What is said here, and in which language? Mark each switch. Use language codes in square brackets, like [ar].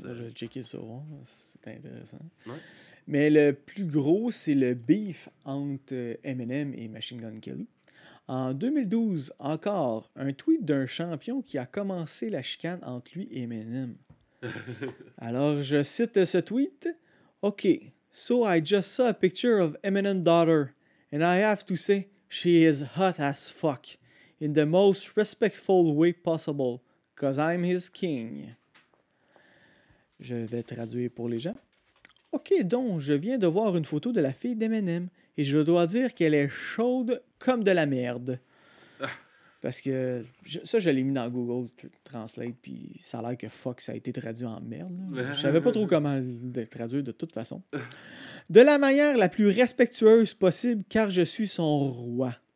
[fr] Je vais checker ça. Hein. C'est intéressant. Ouais. Mais le plus gros, c'est le beef entre Eminem et Machine Gun Kelly. En 2012, encore, un tweet d'un champion qui a commencé la chicane entre lui et Eminem. Alors, je cite ce tweet. [en] « OK, so I just saw a picture of Eminem's daughter, and I have to say, she is hot as fuck, in the most respectful way possible, because I'm his king. » [fr] Je vais traduire pour les gens. « OK, donc, je viens de voir une photo de la fille d'Eminem. » Et je dois dire qu'elle est chaude comme de la merde. Parce que ça, je l'ai mis dans Google Translate, puis ça a l'air que fuck, ça a été traduit en merde. Je savais pas trop comment le traduire de toute façon. De la manière la plus respectueuse possible, car je suis son roi.